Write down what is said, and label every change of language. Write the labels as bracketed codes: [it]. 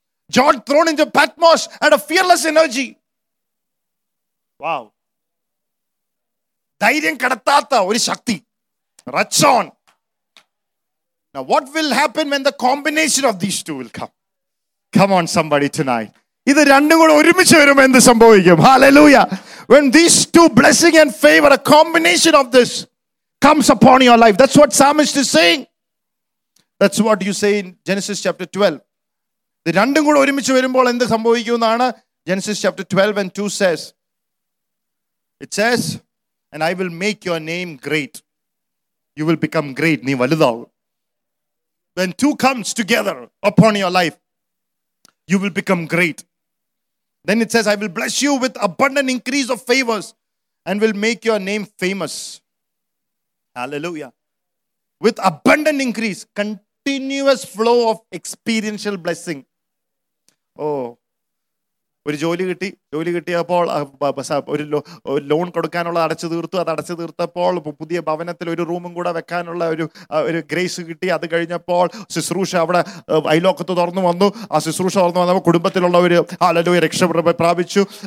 [en] John, thrown into Patmos, had a fearless energy. Wow. [ml] Dhairyam kadathatha oru shakti. Ratson. [en] Now, what will happen when the combination of these two will come? Come on, somebody, tonight. [ml] ഇത് രണ്ടും കൂടെ ഒരുമിച്ച് വരുമ്പോൾ എന്ത് സംഭവിക്കും? [en] Hallelujah. When these two blessing and favor, a combination of this comes upon your life. That's what Psalmist is saying. That's what you say in Genesis chapter 12. [ml] ഇത് രണ്ടും കൂടെ ഒരുമിച്ച് വരുമ്പോൾ എന്ത് സംഭവിക്കും എന്നാണ് [en] Genesis chapter 12 and 2 says. It says, and I will make your name great. You will become great. [ml] Nee valudhaavu. [en] When two comes together upon your life, you will become great. Then it says, I will bless you with abundant increase of favors and will make your name famous. Hallelujah. With abundant increase, continuous flow of experiential blessing. Oh. [ml] ഒരു ജോലി കിട്ടി, ജോലി കിട്ടിയപ്പോൾ ഒരു loan കൊടുക്കാനുള്ള അടച്ചു തീർത്തു, അത് അടച്ചു തീർത്തപ്പോൾ പുതിയ ഭവനത്തിൽ ഒരു റൂമും കൂടെ വെക്കാനുള്ള ഒരു ഒരു ഗ്രേസ് കിട്ടി. അത് കഴിഞ്ഞപ്പോൾ ശുശ്രൂഷ അവിടെ അയലോക്കത്ത് തുറന്നു വന്നു. ആ ശുശ്രൂഷ തുറന്നു വന്നപ്പോൾ കുടുംബത്തിലുള്ളവർ ഹല്ലേലൂയ രക്ഷ പ്രാപിച്ചു.